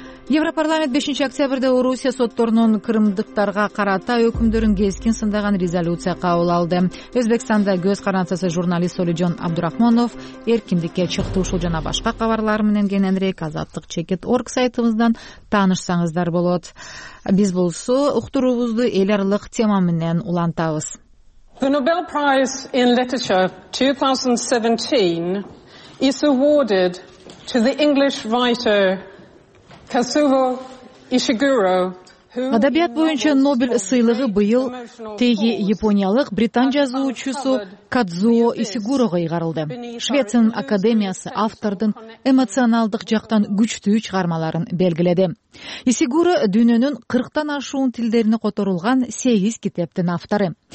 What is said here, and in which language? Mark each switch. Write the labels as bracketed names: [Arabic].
[Kyrgyz] Европарламент 5 октябрда Орусия сотторунун кырымдыктарга карата өкүмдөрүн кескин сындаган резолюция кабыл алды. Өзбекстанда Көз Карансасы журналист Солижон Абдурахмонов эркиндикке чыкты. Ушул жана башка кабарлар менен кененирээк Азаттык чекит орг сайтыбыздан таанышсаңыздар болот. Биз болсо уктуруубузду эл аралык тема менен улантабыз. [English] The Nobel Prize in Literature 2017 is awarded to the English writer Kazuo Ishiguro. [Kyrgyz] Адабият боюнча Нобель сыйлыгы быйыл теги япониялык британ жазуучусу Кадзуо Исигурого ыйгарылды. Швециянын академиясы автордун эмоционалдык жактан күчтүү чыгармаларын белгиледи. Исигуро дүйнөнүн 40 ашуун тилдерине которулган 8 китептин автору.